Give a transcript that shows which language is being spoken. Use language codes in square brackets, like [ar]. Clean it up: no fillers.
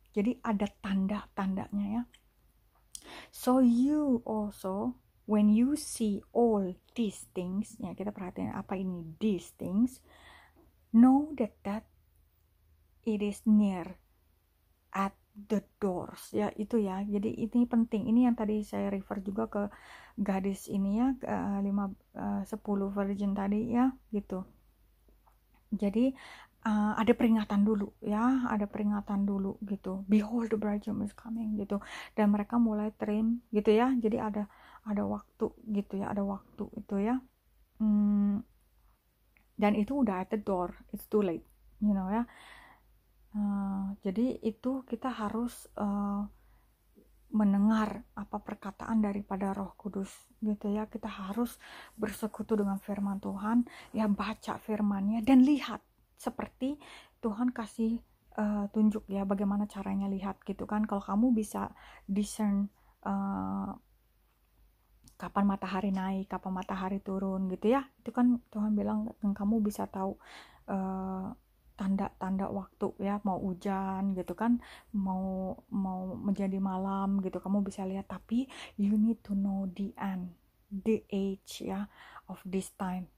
[id] Jadi ada tanda-tandanya ya. [en] So you also, when you see all these things, [id] ya kita perhatiin apa ini [en] these things, know that that it is near at the doors. [id] Ya itu ya. Jadi ini penting. Ini yang tadi saya refer juga ke gadis ini ya, ke 10 virgin tadi ya, gitu. Jadi ada peringatan dulu ya, ada peringatan dulu gitu. [en] Behold the bridegroom is coming [id] gitu. Dan mereka mulai trim gitu ya. Jadi ada waktu gitu ya, ada waktu itu ya. Dan itu udah [en] at the door, it's too late, you know ya. [id] Jadi itu kita harus mendengar apa perkataan daripada Roh Kudus gitu ya. Kita harus bersekutu dengan firman Tuhan ya, baca firmannya dan lihat seperti Tuhan kasih tunjuk ya, bagaimana caranya lihat gitu kan. Kalau kamu bisa discern kapan matahari naik, kapan matahari turun gitu ya, itu kan Tuhan bilang dan kamu bisa tahu tanda-tanda waktu ya, mau hujan gitu kan, mau menjadi malam gitu, kamu bisa lihat. [en] Tapi you need to know the end, the age ya, of this time.